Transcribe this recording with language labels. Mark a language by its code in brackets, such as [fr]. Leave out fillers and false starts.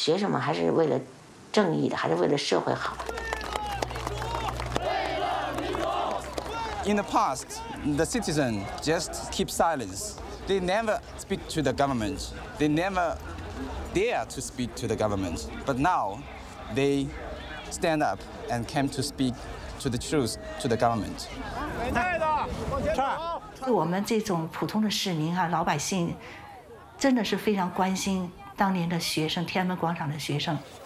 [zh] 家庭妇女，我们对门一个家庭妇女都给那些学生去送水呀、送粥啊，天比较热嘛，送绿豆汤啊，可以说全民都支持。我们单位里，很多人都去参加了。我说你还是不要去参加这些事啊。他说那个你不知道，学什么还是为了正义的，还是为了社会好。 [en] In the past, the citizen just keep silence. They never speak to the government. They never dare to speak to the government. But now, they stand up and came to speak to the truth to the government. [zh] 我们这种普通的市民啊，老百姓，真的是非常关心当年的学生，天安门广场的学生。